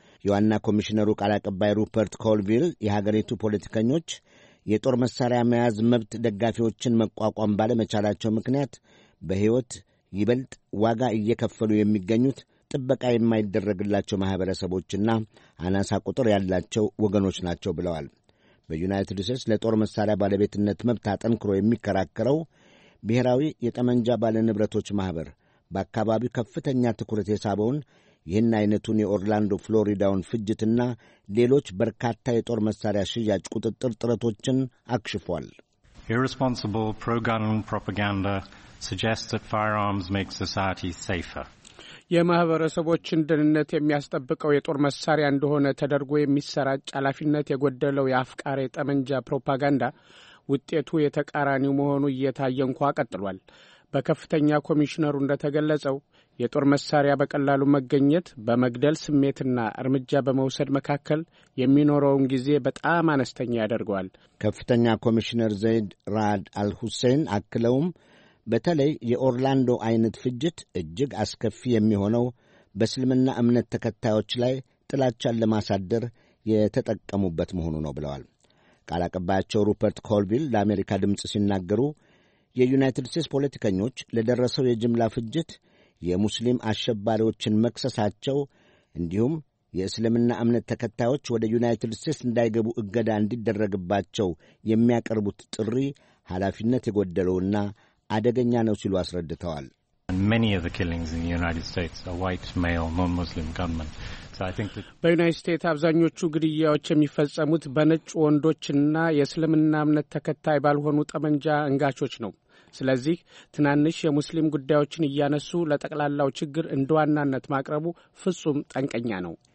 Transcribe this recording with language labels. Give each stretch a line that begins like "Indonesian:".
Amharic: ዮሐና ኮሚሽነሩ ቃል አቀባይ ሩፐርት ኮልቪል የሀገሪቱ ፖለቲከኞች የጦር መሳሪያ መያዝ መብት ደጋፊዎችን መቋቋም ባለመቻላቸው ምክንያት በህይወት ይበልጥ ዋጋ እየከፈሉ የሚገኙት ጥበቃ የማይደረግላቸው ማህበረሰቦችና አናሳ ቁጥር ያላቸው ወገኖች ናቸው ብለዋል። በዩናይትድ ስቴትስ ለጦር መሳሪያ ባለቤትነት መብት አጠንክሮ የሚከራከረው ብሔራዊ የጠመንጃ ባለንብረቶች ማህበር በአካባቢው ከፍተኛ ትኩረት የሳበውን ይህን አይነቱን የኦርላንዶ ፍሎሪዳውን ፍጅትና ሌሎች በርካታ የጦር መሳሪያ ሽያጭ ቁጥጥር ጥረቶችን አክሽፏል።
English: Irresponsible pro-gun propaganda suggests that firearms make society safer.
Amharic: የማህበረሰቦችን ደህንነት የሚያስጠብቀው የጦር መሳሪያ እንደሆነ ተደርጎ የሚሰራጭ አላፊነት የጎደለው የአፍቃሪ ጠመንጃ ፕሮፓጋንዳ ውጤቱ የተቃራኒው መሆኑ እየታየ እንኳ ቀጥሏል። በከፍተኛ ኮሚሽነሩ እንደተገለጸው የጦር መሳሪያ በቀላሉ መገኘት በመግደል ስሜትና እርምጃ በመውሰድ መካከል የሚኖረውን ጊዜ በጣም አነስተኛ ያደርጋል። ከፍተኛ ኮሚሽነር ዘይድ ራድ አልሁሴን አክለውም በተለይ የኦርላንዶ አይነት ፍጅት እጅግ አስከፊ የሚሆነው በእስልምና እምነት ተከታዮች ላይ ጥላቻን ለማሳደር የተጠቀሙበት መሆኑ ነው ብለዋል። ቃል አቀባያቸው ሩፐርት ኮልቪል ለአሜሪካ ድምፅ ሲናገሩ የዩናይትድ ስቴትስ ፖለቲከኞች ለደረሰው የጅምላ ፍጅት የሙስሊም አሸባሪዎችን መክሰሳቸው እንዲሁም የእስልምና እምነት ተከታዮች ወደ ዩናይትድ ስቴትስ እንዳይገቡ እገዳ እንዲደረግባቸው የሚያቀርቡት ጥሪ ኃላፊነት የጎደለውና አደገኛ ነው ሲሉ አስረድተዋል።
English: Many of the killings in the United States are white male non-Muslim gunmen. So I think that
Amharic: በዩናይትድ ስቴትስ አብዛኞቹ ግድያዎች የሚፈጸሙት በነጭ ወንዶችና የእስልምና እምነት ተከታይ ባልሆኑ ጠመንጃ አንጋቾች ነው። ስለዚህ ትናንሽ የሙስሊም ጉዳዮችን ያነሱ ለጠቅላላው ችግር እንደዋናነት ማቅረቡ ፍጹም ጠንቀኛ ነው።